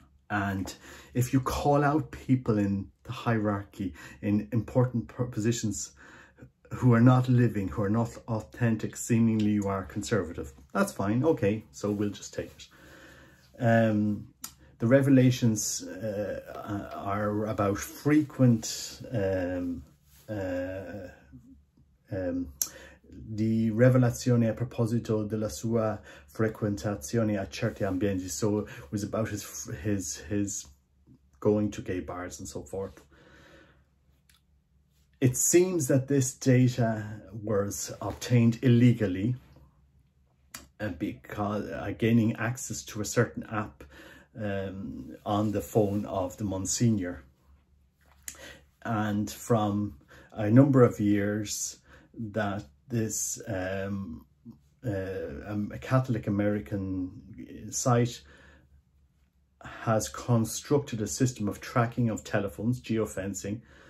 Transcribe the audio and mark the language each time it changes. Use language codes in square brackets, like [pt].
[en] And if you call out people in the hierarchy, in important positions who are not living, who are not authentic, seemingly you are conservative. That's fine. Okay, so we'll just take it. The revelations are about frequent. [it] The rivelazione a proposito della sua frequentazione a certi ambienti. [en] So it was about his going to gay bars and so forth. It seems that this data was obtained illegally, because gaining access to a certain app on the phone of the Monsignor, and from a number of years that this a Catholic American site has constructed a system of tracking of telephones, geofencing.